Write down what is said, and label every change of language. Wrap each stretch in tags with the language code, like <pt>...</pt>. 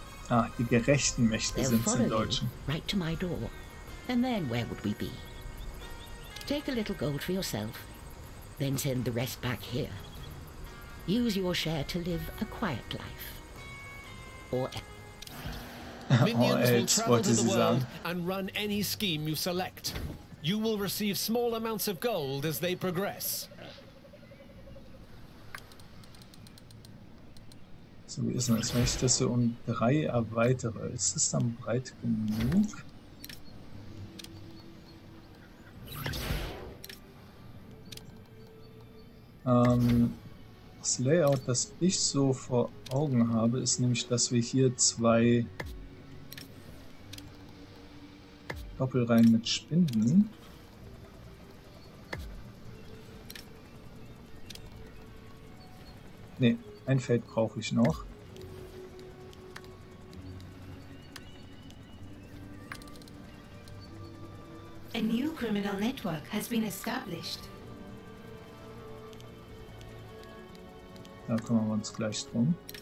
<de>Ah, die gerechten Mächte sind es in Deutschen.</de> <en>Right to my door. And then where would we be? Take a little gold for yourself. Then send the rest back here. Use your share to live a quiet life. Or Minions will travel to the world and run any scheme you select. You will receive small amounts of gold as they progress.</en> <de>So, wie ist das? Wenn ich das so um drei erweitere, ist das dann breit genug? Das Layout, das ich so vor Augen habe, ist nämlich, dass wir hier zwei Doppelreihen mit Spinden. Ne, ein Feld brauche ich noch.</de> <en>A new criminal network has been established.</en> <de>Da kümmern wir uns gleich drum.</de>